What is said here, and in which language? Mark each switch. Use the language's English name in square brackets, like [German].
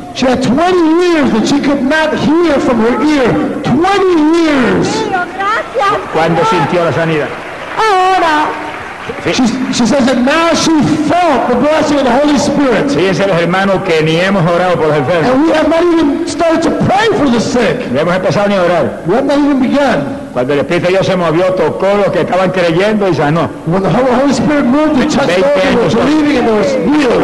[English] She had 20 years that she could not hear from her ear. 20 years. [Spanish] ¿Cuándo sintió la sanidad? Ahora. [English] She says that now she felt the blessing of the Holy Spirit. [Spanish] Fíjense los hermanos que ni hemos orado por los enfermos. [English] And we have not even started to pray for the sick. [Spanish] No hemos empezado ni a orar. [English] We have not even begun. [Spanish] Cuando el Espíritu de Dios se movió, tocó los que estaban creyendo y sanó. [English] When the Holy Spirit moved, he touched those who were believing and they were healed.